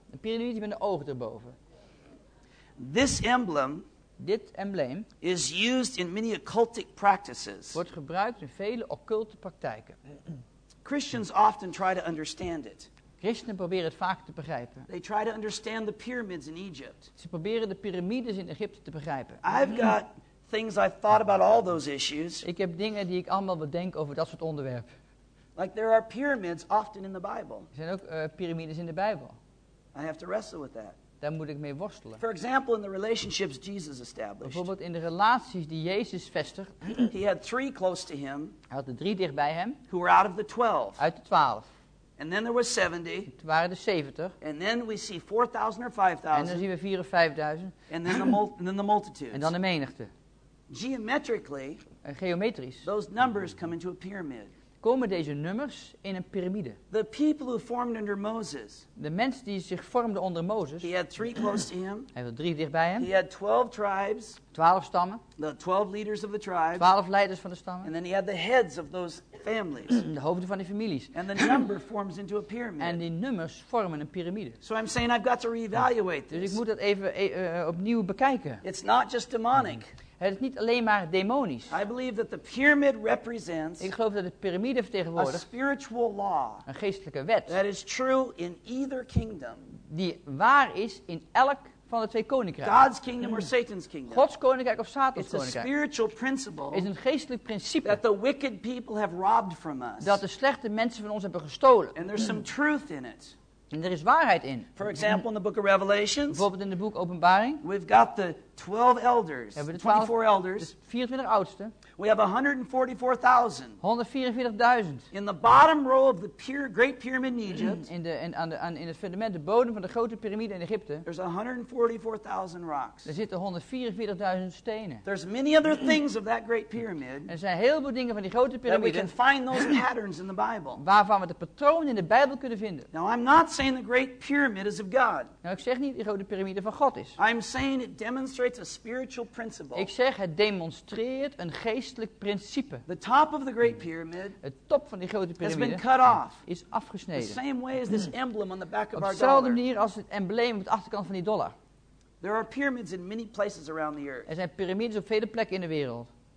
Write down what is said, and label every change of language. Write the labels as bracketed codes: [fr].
[nl] Een piramide met een oog erboven. [en] This emblem. [nl] Dit embleem [en] is used in many occultic practices. [nl] Wordt gebruikt in vele occulte praktijken. [en] Christians often try to understand it. [nl] Christenen proberen het vaak te begrijpen. [en] They try to understand the pyramids in Egypt. [nl] Ze proberen de piramides in Egypte te begrijpen. [en] I've got things I've thought about all those issues. [nl] Ik heb dingen die ik allemaal bedenk over dat soort onderwerpen. [en] Like there are pyramids often in the Bible. [nl] Er zijn ook piramides in de Bijbel. [en] I have to wrestle with that. [nl] Daar moet ik mee worstelen. [en] For example, in the relationships Jesus established. [nl] Bijvoorbeeld in de relaties die Jezus vestigt. [en] He had three close to him. [nl] Hij had er drie dicht bij hem. [en] Who were out of the 12. [nl] Uit de 12. [en] And then there were 70. [nl] Toen waren er 70. [en] And then we see 4,000 or 5,000. [nl] En dan zien we 4,000 of 5,000. [en] And then the multitudes. [nl] En dan de menigte. [en] Geometrically. [nl] En geometrisch. [en] Those numbers come into a pyramid. [nl] Komen deze nummers in een piramide. [en] The people who formed under Moses. [nl] De mensen die zich vormden onder Mozes. [en] He had three close to him. [nl] Hij had drie dicht bij hem. [en] He had 12 tribes. [nl] 12 stammen. [en] The 12 leaders of the tribes. [nl] 12 leiders van de stammen. [en] And then he had the heads of those families. [nl] De hoofden van die families. [en] And the number forms into a pyramid. [nl] En die nummers vormen een piramide. [en] So I'm saying I've got to reevaluate this. [nl] Dus ik moet dat even opnieuw bekijken. [en] It's not just demonic. [nl] Het is niet alleen maar demonisch. [en] I believe that the pyramid represents. [nl] Ik geloof dat de piramide vertegenwoordigt. [en] A spiritual law. [nl] Een geestelijke wet. [en] That is true in either kingdom. [nl] Die waar is in elk van de twee koninkrijken. [en] God's kingdom or Satan's kingdom. [nl] Gods koninkrijk of Satans koninkrijk. [en] It's a spiritual principle. [nl] Is een geestelijk principe. [en] That the wicked people have robbed from us. [nl] Dat de slechte mensen van ons hebben gestolen. [en] And there's some truth in it. [nl] En er is waarheid in. [en] For example, in the book of Revelations. [nl] Bijvoorbeeld in de boek Openbaring. [en] We've got the 12 elders. [nl] Hebben we de 12, [en] 24 elders. [nl] Dus 24 oudsten. [en] We have 144,000. [nl] 144,000. [en] In the bottom row of the great pyramid in Egypt. [nl] In het fundament, de bodem van de grote piramide in Egypte. [en] There's 144,000 rocks. [nl] Er zitten 144,000 stenen. [en] There's many other things of that great pyramid. [nl] Er zijn heel veel dingen van die grote piramide. [en] That we can find those patterns in the Bible. [nl] Waarvan we de patronen in de Bijbel kunnen vinden. [en] Now I'm not saying the great pyramid is of God. [nl] Nou, ik zeg niet die grote piramide van God is. [en] I'm saying it demonstrates a spiritual principle. [nl] Ik zeg het demonstreert een geest. [en] The top of the great pyramid, [nl] het top van die grote piramide, [en] has been cut off. [nl] Is afgesneden. [en] The same way as this emblem on the back of our dollar. [nl] Op dezelfde manier als het embleem op de achterkant van die dollar. [en] There are pyramids in many places around the earth. [nl] Er zijn piramides op vele plekken in de wereld.